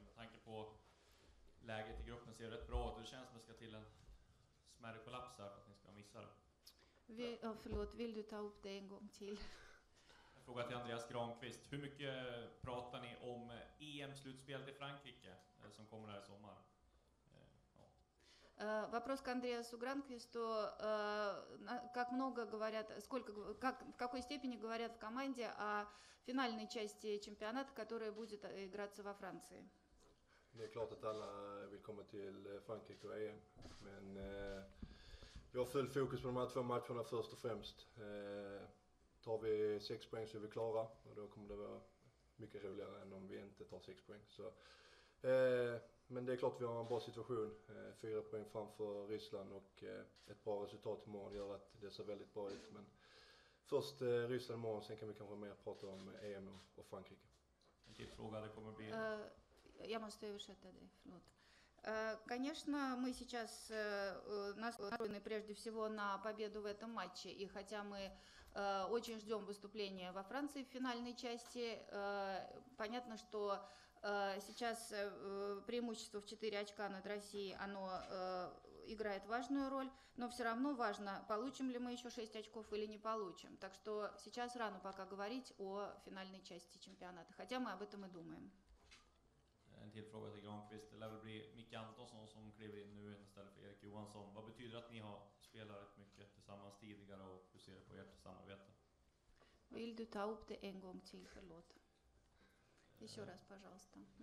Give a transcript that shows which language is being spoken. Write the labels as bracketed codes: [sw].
[sv] Med tanke på läget i gruppen ser rätt bra ut. Det känns som det ska till en smärre kollaps här, att ni ska missa det. Förlåt, vill du ta upp det en gång till? En fråga till Andreas Granqvist. Hur mycket pratar ni om EM-slutspelet i Frankrike som kommer här i sommar? [ru] Вопрос к Андреасу Гранквисту. Как много говорят, сколько, как, в какой степени говорят в команде о финальной части чемпионата, которая будет играться во Франции? [sv] Det är klart att alla vill komma till Frankrike och EM, men vi har full fokus på de här två matcherna först och främst. Tar vi 6 poäng så är vi klara och då kommer det vara mycket roligare än om vi inte tar 6 poäng. Så, men det är klart att vi har en bra situation, 4 poäng framför Ryssland och ett bra resultat imorgon gör att det ser väldigt bra ut. Men först Ryssland imorgon, sen kan vi kanske mer prata om EM och Frankrike. En till fråga, det kommer bli... [ru] Я могу перевести, да, вот. Конечно, мы сейчас настроены прежде всего на победу в этом матче, и хотя мы очень ждем выступления во Франции в финальной части, понятно, что сейчас преимущество в 4 очка над Россией, оно играет важную роль, но все равно важно, получим ли мы еще 6 очков или не получим. Так что сейчас рано пока говорить о финальной части чемпионата, хотя мы об этом и думаем. [sv] En till fråga till Granqvist. Det lär väl bli Micke Antonsson som kliver in nu istället för Erik Johansson. Vad betyder att ni har spelat rätt mycket tillsammans tidigare och hur ser du på ert samarbete? Vill du ta upp det en gång till? Förlåt. Vi kör oss, [ru] пожалуйста.